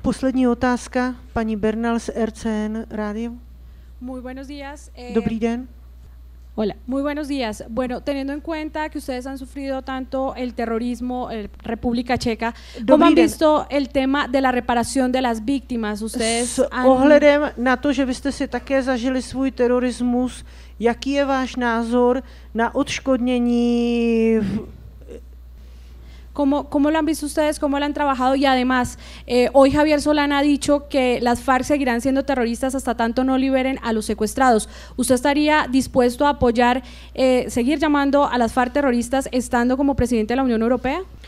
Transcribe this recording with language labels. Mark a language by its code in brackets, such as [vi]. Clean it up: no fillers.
[cs] Poslední otázka, paní Bernal z RCN Radio. [es] Muy buenos días. [cs] Dobrý den. [es] Hola, muy buenos días. Bueno, teniendo en cuenta que ustedes han sufrido tanto el terrorismo en República Checa, ¿cómo han visto el tema de la reparación de las víctimas? Ustedes [cs] ohledem na to, že byste si také zažili svůj terorismus, jaký je váš názor na odškodnění? [es] ¿Cómo lo han visto ustedes? ¿Cómo lo han trabajado? Y además, hoy Javier Solana ha dicho que las FARC seguirán siendo terroristas hasta tanto no liberen a los secuestrados. ¿Usted estaría dispuesto a apoyar, seguir llamando a las FARC terroristas estando como presidente de la Unión Europea?